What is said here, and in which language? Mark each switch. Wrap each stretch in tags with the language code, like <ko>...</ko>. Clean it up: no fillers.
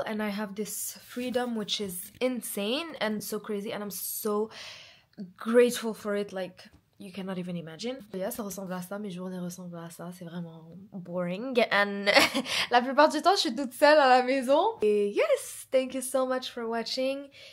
<en>And I have this freedom, which is insane and so crazy. And I'm so grateful for it, like... You cannot even imagine.</en> <fr>Yeah, ça ressemble à ça, mes journées ressemblent à ça. C'est vraiment boring. And la plupart du temps, je suis toute seule à la maison.</fr> <en>Et yes, thank you so much for watching.</en>